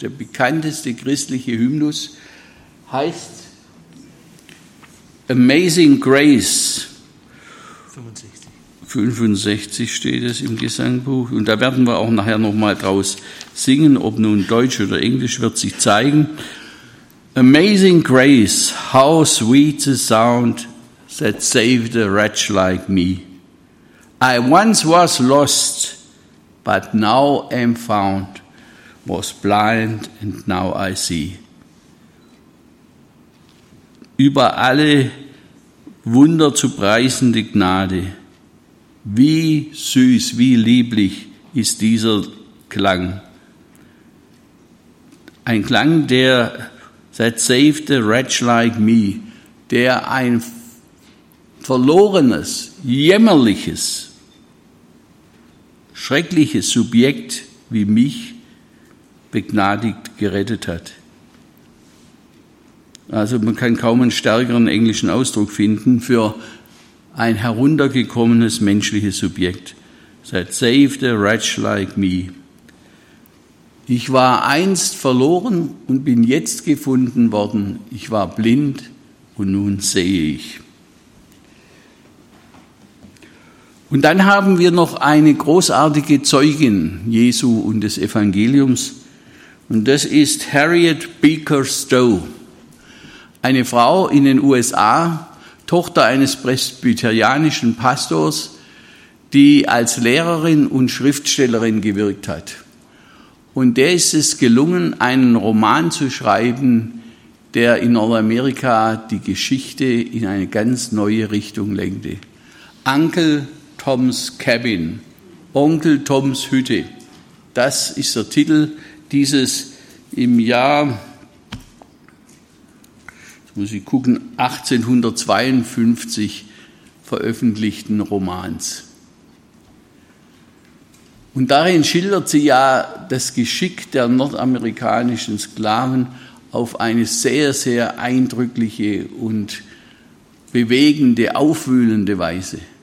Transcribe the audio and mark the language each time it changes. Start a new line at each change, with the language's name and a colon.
German: Der bekannteste christliche Hymnus heißt Amazing Grace. 65 steht es im Gesangbuch. Und da werden wir auch nachher nochmal draus singen, ob nun Deutsch oder Englisch, wird sich zeigen.
English: Amazing Grace, how sweet the sound that saved a wretch like me. I once was lost, but now am found, was blind and now I see.
German: Über alle Wunder zu preisende Gnade, wie süß, wie lieblich ist dieser Klang. Ein Klang, der
English: that saved a wretch like me,
German: der ein verlorenes, jämmerliches, schreckliches Subjekt wie mich begnadigt gerettet hat. Also man kann kaum einen stärkeren englischen Ausdruck finden für ein heruntergekommenes menschliches Subjekt.
English: That saved a wretch like me.
German: Ich war einst verloren und bin jetzt gefunden worden. Ich war blind und nun sehe ich. Und dann haben wir noch eine großartige Zeugin Jesu und des Evangeliums. Und das ist Harriet Beecher Stowe. Eine Frau in den USA, Tochter eines presbyterianischen Pastors, die als Lehrerin und Schriftstellerin gewirkt hat. Und der ist es gelungen, einen Roman zu schreiben, der in Nordamerika die Geschichte in eine ganz neue Richtung lenkte. Uncle Tom's Cabin, Onkel Tom's Hütte. Das ist der Titel dieses im Jahr, jetzt muss ich gucken, 1852 veröffentlichten Romans. Und darin schildert sie ja das Geschick der nordamerikanischen Sklaven auf eine sehr, sehr eindrückliche und bewegende, aufwühlende Weise.